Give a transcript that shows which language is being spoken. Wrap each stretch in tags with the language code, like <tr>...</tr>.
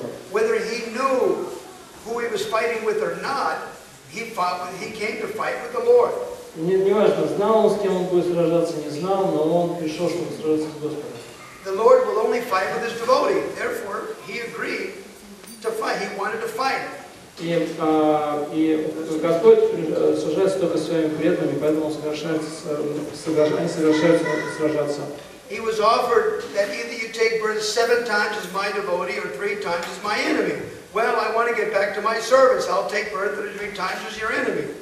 <en>Whether he knew who he was fighting with or not, he came to fight with the Lord.</en> <ru>Неважно, знал он, с кем он будет сражаться, не знал, но он пришел, чтобы сражаться с Господом.</ru> <en>The Lord will only fight with his devotee. Therefore, he agreed to fight. He wanted to fight.</en> <ru>И Господь сражается только с своими преданными, поэтому он соглашается сражаться.</ru> <en>He was offered that either you take birth seven times as my devotee or three times as my enemy. Well, I want to get back to my service. I'll take birth three times as your enemy.</en>